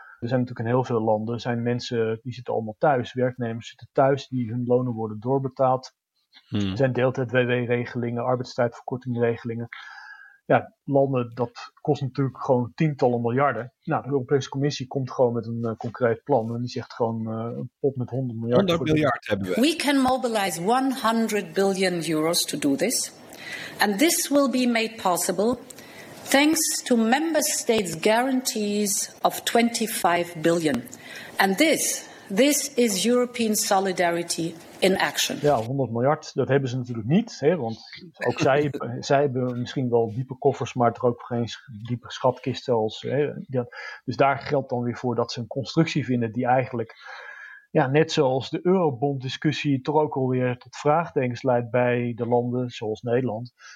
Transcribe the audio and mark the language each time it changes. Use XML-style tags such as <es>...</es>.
<nl>Er zijn natuurlijk in heel veel landen, zijn mensen die zitten allemaal thuis. Werknemers zitten thuis, die hun lonen worden doorbetaald. Er zijn deeltijd-WW-regelingen, arbeidstijdverkortingregelingen. Ja, landen, dat kost natuurlijk gewoon tientallen miljarden. Nou, de Europese Commissie komt gewoon met een concreet plan. En die zegt gewoon een pot met 100 miljard. 100 miljard hebben we.</nl> <en>We can mobilize 100 billion euros to do this. And this will be made possible thanks to member states' guarantees of 25 billion. And this is European solidarity in action.</en> <nl>Ja, 100 miljard, dat hebben ze natuurlijk niet. Hè, want ook zij hebben misschien wel diepe koffers, maar er ook geen diepe schatkisten. Dus daar geldt dan weer voor dat ze een constructie vinden die eigenlijk, ja, net zoals de eurobond-discussie, toch ook alweer tot vraagtekens leidt bij de landen zoals Nederland.</nl>